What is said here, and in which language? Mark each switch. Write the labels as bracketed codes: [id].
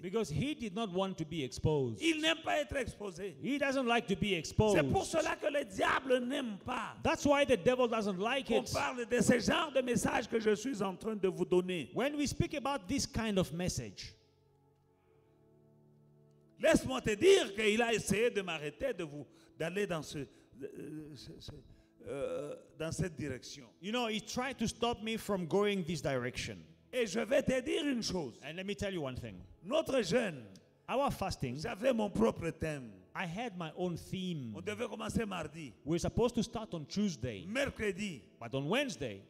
[en] Because he did not want to be exposed. [fr] Il n'aime pas être exposé. [en] He doesn't like to be exposed. [fr] C'est pour cela que le diable n'aime pas. [en] That's why the devil doesn't like [fr] it. On parle de ce genre de message que je suis en train de vous donner. [en] When we speak about this kind of message. [fr] Laisse-moi te dire qu'il a essayé de m'arrêter de vous d'aller dans dans cette direction. [en] You know, he tried to stop me from going this direction. [fr] Et je vais te dire une chose. [en] And let me tell you one thing. [fr] Notre jeûne, [en] our fasting, [fr] j'avais mon propre thème. [en] I had my own theme. [fr] On devait commencer mardi. [en] We're supposed to start on Tuesday. [fr] Mercredi. [en] But on Wednesday,